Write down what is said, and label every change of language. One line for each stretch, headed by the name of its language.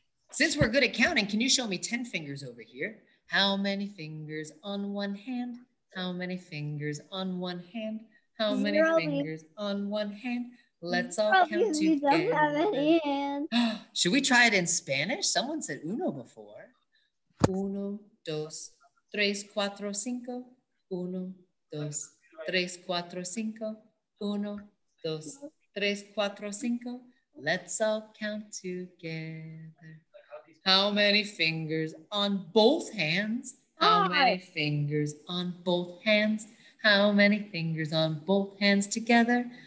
English: Since we're good at counting, can you show me 10 fingers over here? How many fingers on one hand? How many fingers on one hand? How many fingers on one hand? Let's all count together. We don't have any hands. Should we try it in Spanish? Someone said uno before.
Spanish: Uno, dos, tres, cuatro, cinco. Uno, dos, tres, cuatro, cinco. Uno, dos, tres, cuatro, cinco.
English: Let's all count together. How many fingers on both hands? How many fingers on both hands? How many fingers on both hands together?